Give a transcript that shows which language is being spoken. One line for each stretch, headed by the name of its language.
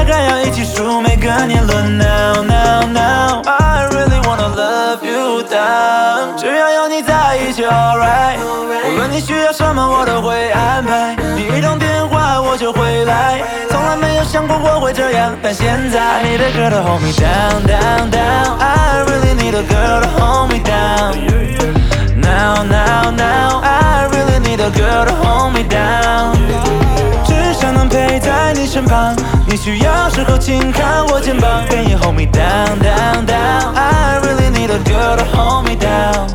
Chinese: 日出日落没不过你眼神，疼你爱你你就是我心事，眉眼发梢之间露出的天真，每个样子都让我为你沉沦，想不到没有你每个青春，未来还要一起数每个年轮
English: Now, now, now. I really wanna love you down.
Chinese: 只要有你在一起 alright。无论你需要什么，我都会安排。你一通电话，我就回来。从来没有想过我会这样，但现在。
English: I need a girl to hold me down, down, down. I really need a girl to hold me down. Now, now, now. I really need a girl to hold me down.
Chinese: 只想能陪在你身旁。你需要时候紧靠我肩膀。
English: Can you hold me down, down, down? I really need a girl to hold me down.